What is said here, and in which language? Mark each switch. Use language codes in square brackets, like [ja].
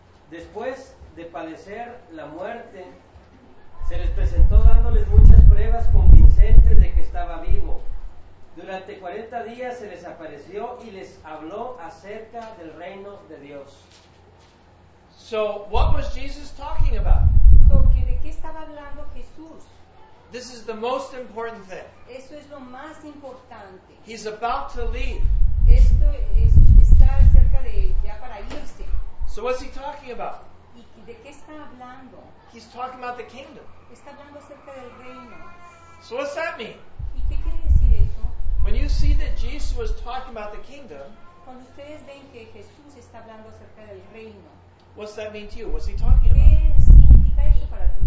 [es] Después de padecer la muerte, se les presentó dándoles muchas pruebas convincentes de que estaba vivo. Durante 40 días se les apareció y les habló acerca del reino de Dios. [en] So, what was Jesus talking about? [es] So, ¿de qué estaba hablando Jesús? [en] This is the most important thing. [es] Eso es lo más importante. [en] He's about to leave. [es] Esto es, está cerca de ya para irse. [en] So, what's he talking about? [es] ¿De qué está hablando? [en] He's talking about the kingdom. [es] Está hablando acerca del reino. [en] So what's that mean? [es] ¿Y qué quiere decir eso? [en] When you see that Jesus was talking about the kingdom, [es] cuando ustedes ven que Jesús está hablando acerca del reino, [en] what's that mean to you? What's he talking [es] ¿qué [en] about? [es] ¿Qué significa eso para ti?